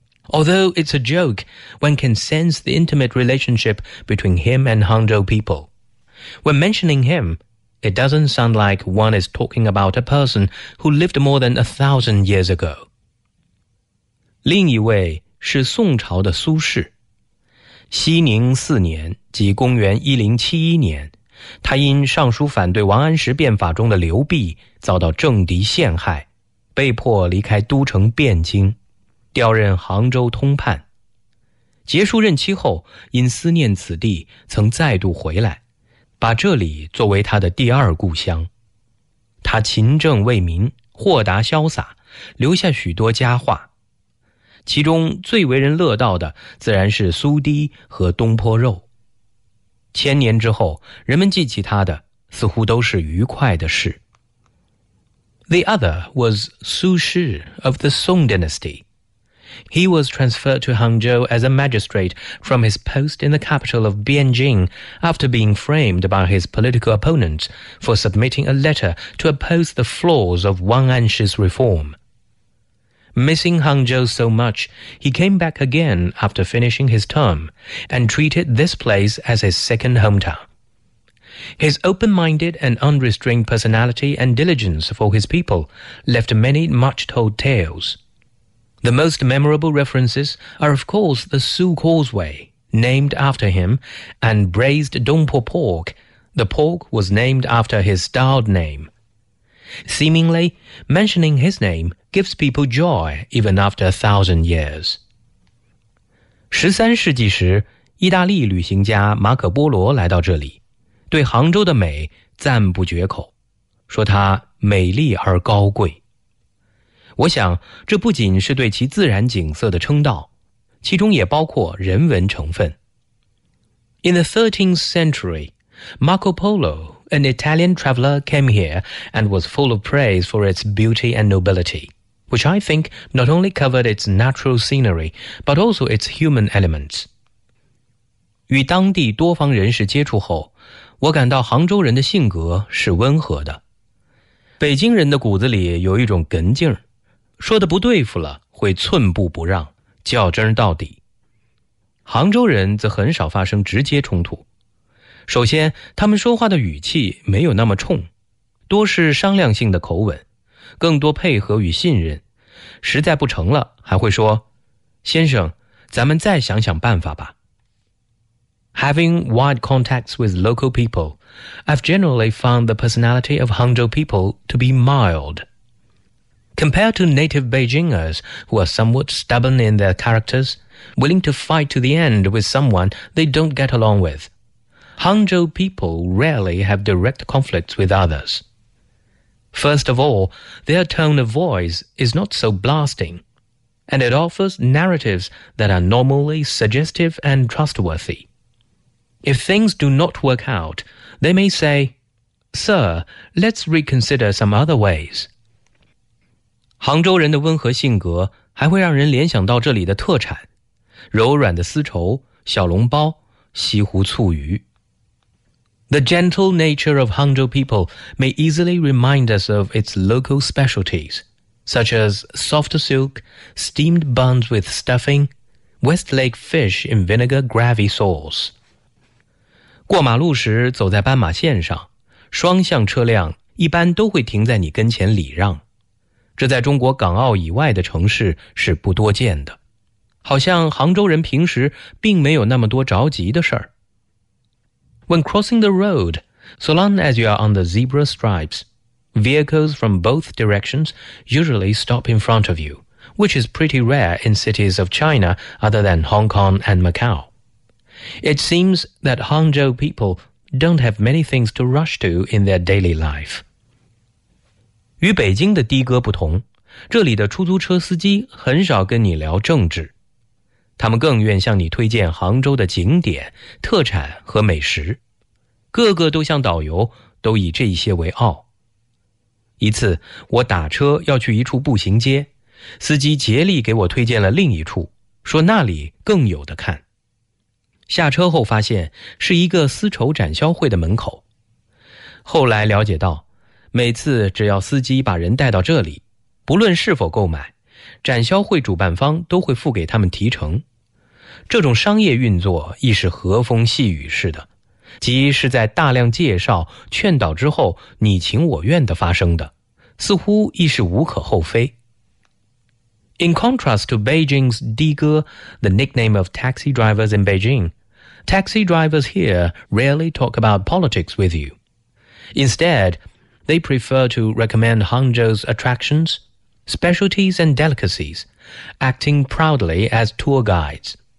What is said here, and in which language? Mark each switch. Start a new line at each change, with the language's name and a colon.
English: Although it's a joke, one can sense the intimate relationship between him and Hangzhou people. When mentioning him, it doesn't sound like one is talking about a person who lived more than 1,000 years ago.
Chinese: 另一位是宋朝的苏轼。熙宁四年，即公元1071年，他因上书反对王安石变法中的刘濞，遭到政敌陷害，被迫离开都城汴京。调任杭州通判，结束任期后，因思念此地，曾再度回来，把这里作为他的第二故乡。他勤政为民，豁达潇洒，留下许多佳话，其中最为人乐道的自然是苏堤和东坡肉。千年之后，人们记起他的似乎都是愉快的事。
English: The other was Su Shi of the Song Dynasty he was transferred to Hangzhou as a magistrate from his post in the capital of Beijing after being framed by his political opponents for submitting a letter to oppose the flaws of Wang Anshi's reform. Missing Hangzhou so much, he came back again after finishing his term and treated this place as his second hometown. His open-minded and unrestrained personality and diligence for his people left many much-told tales. The most memorable references are, of course, the Su Causeway, named after him, and braised Dongpo pork. The pork was named after his styled name. Seemingly, mentioning his name gives people joy even after 1,000 years.
Chinese: 13世纪时，意大利旅行家马可波罗来到这里，对杭州的美赞不绝口，说它美丽而高贵。我想，这不仅是对其自然景色的称道，其中也包括人文成分。
English: In the 13th century, Marco Polo, an Italian traveler, came here and was full of praise for its beauty and nobility, which I think not only covered its natural scenery, but also its human elements.
Chinese: 与当地多方人士接触后，我感到杭州人的性格是温和的。北京人的骨子里有一种哏劲儿，说的不对付了会寸步不让，较真到底。杭州人则很少发生直接冲突。首先，他们说话的语气没有那么冲，多是商量性的口吻，更多配合与信任。实在不成了，还会说，先生，咱们再想想办法吧。
English: Having wide contacts with local people, I've generally found the personality of Hangzhou people to be mild. Compared to native Beijingers, who are somewhat stubborn in their characters, willing to fight to the end with someone they don't get along with, Hangzhou people rarely have direct conflicts with others. First of all, their tone of voice is not so blasting, and it offers narratives that are normally suggestive and trustworthy. If things do not work out, they may say, Sir, let's reconsider some other ways.
Chinese: 杭州人的温和性格还会让人联想到这里的特产，柔软的丝绸、小笼包、西湖醋鱼。
English: The gentle nature of Hangzhou people may easily remind us of its local specialties, such as soft silk, steamed buns with stuffing, Westlake fish in vinegar gravy sauce.
Chinese: 过马路时走在斑马线上，双向车辆一般都会停在你跟前礼让，这在中国港澳以外的城市是不多见的，好像杭州人平时并没有那么多着急的事儿。
English: When crossing the road, so long as you are on the zebra stripes, vehicles from both directions usually stop in front of you, which is pretty rare in cities of China other than Hong Kong and Macau. It seems that Hangzhou people don't have many things to rush to in their daily life.
Chinese: 与北京的的哥不同，这里的出租车司机很少跟你聊政治，他们更愿向你推荐杭州的景点、特产和美食，个个都像导游，都以这些为傲。一次，我打车要去一处步行街，司机竭力给我推荐了另一处，说那里更有的看。下车后发现是一个丝绸展销会的门口。后来了解到，每次只要司机把人带到这里，不论是否购买，展销会主办方都会付给他们提成。这种商业运作亦是和风细雨似的，即是在大量介绍劝导之后你情我愿地发生的，似乎亦是无可厚非。
English: In contrast to Beijing's 的哥, the nickname of taxi drivers in Beijing, taxi drivers here rarely talk about politics with you. Instead, they prefer to recommend Hangzhou's attractions, specialties and delicacies, acting proudly as tour guides.